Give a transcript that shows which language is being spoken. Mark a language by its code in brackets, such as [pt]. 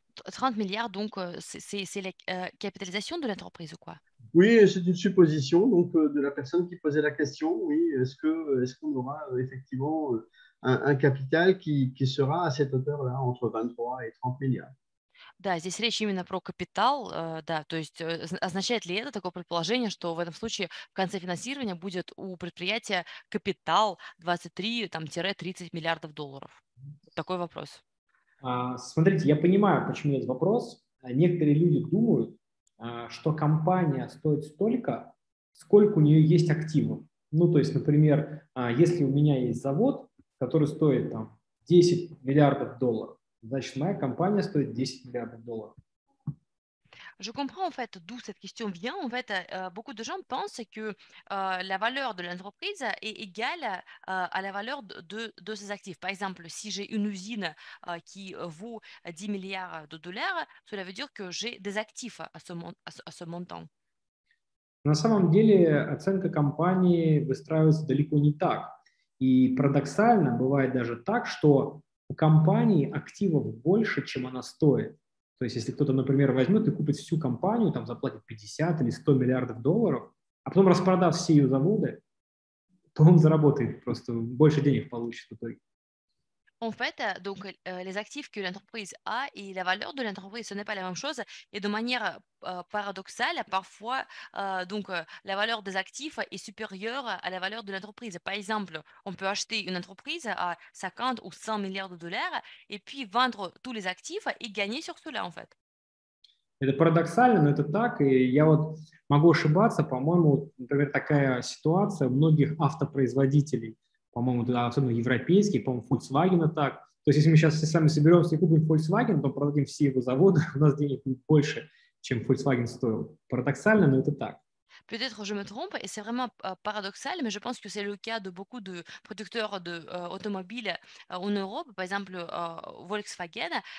[fr] 30 milliards, donc c'est la capitalisation de l'entreprise, quoi? Oui, c'est une supposition donc de la personne qui posait la question. Oui, est-ce qu'on aura effectivement un capital qui sera à cette hauteur-là, entre 23 et 30 milliards? [ru] Да, здесь речь именно про капитал, да, то есть означает ли это такое предположение, что в этом случае в конце финансирования будет у предприятия капитал 23-30 миллиардов долларов? Вот такой вопрос. Смотрите, я понимаю, почему есть вопрос. Некоторые люди думают, что компания стоит столько, сколько у нее есть активов. Ну, то есть, например, если у меня есть завод, который стоит там 10 миллиардов долларов, значит, моя компания стоит 10 миллиардов долларов. [fr] Je comprends en fait d'où cette question vient. En fait, beaucoup de gens pensent que la valeur de l'entreprise est égale à la valeur de ses actifs. Par exemple, si j'ai une usine qui vaut 10 milliards de dollars, cela veut dire que j'ai des actifs à ce montant. [ru] На самом деле, оценка компании выстраивается далеко не так. И парадоксально бывает даже так, что у компании активов больше, чем она стоит. То есть, если кто-то, например, возьмет и купит всю компанию, там заплатит 50 или 100 миллиардов долларов, а потом распродав все ее заводы, то он заработает, просто больше денег получит в итоге. [fr] En fait, donc, les actifs que l'entreprise a et la valeur de l'entreprise, ce n'est pas la même chose. Et de manière paradoxale, parfois, donc, la valeur des actifs est supérieure à la valeur de l'entreprise. Par exemple, on peut acheter une entreprise à 50 ou 100 milliards de dollars et puis vendre tous les actifs et gagner sur cela, en fait. C'est paradoxal, mais c'est ça. Et je peux me tromper. [ru] По-моему, например, такая ситуация у многих автопроизводителей. По-моему, да, особенно европейский, по-моему, Volkswagen так. То есть, если мы сейчас все сами соберемся и купим Volkswagen, то продадим все его заводы, у нас денег будет больше, чем Volkswagen стоил. Парадоксально, но это так. [fr] Peut-être que je me trompe, et c'est vraiment paradoxal, mais je pense que c'est le cas de beaucoup de producteurs d'automobiles en Europe, par exemple Volkswagen.